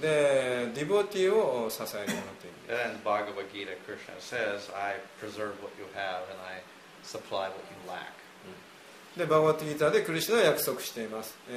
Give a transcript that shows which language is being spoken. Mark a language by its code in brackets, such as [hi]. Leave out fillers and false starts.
[ja] で、ディボティを支えるものという。 [en] And Bhagavad Gita Krishna says, I preserve what you have and I supply what you lack. [ja] で、バガヴァッド・ギーターでクリシュナは約束しています。